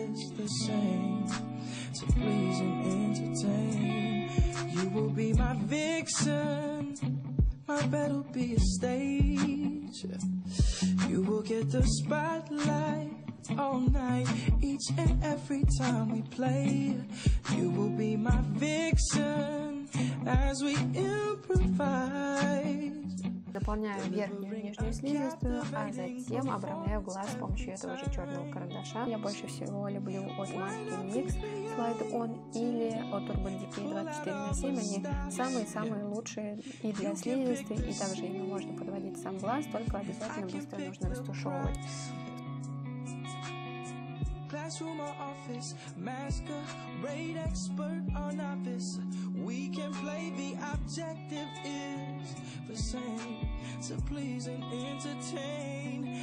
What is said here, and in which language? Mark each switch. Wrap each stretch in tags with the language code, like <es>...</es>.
<en>To please and entertain, you will be my vixen, my bed will be a stage. You will get the spotlight all night, each and every time we play. You will be my vixen as we improvise.</en> <ru>Дополняю верхнюю и нижнюю слизистую, а затем обрамляю глаз с помощью этого же черного карандаша. Я больше всего люблю от Marki Mix Slide On или от Urban Decay 24/7. Они самые-самые лучшие и для слизистой, и также ими можно подводить сам глаз, только обязательно быстро нужно растушевывать.</ru> <en>Classroom or office, masquerade expert or novice, we can play, the objective is the same, to please and entertain.</en>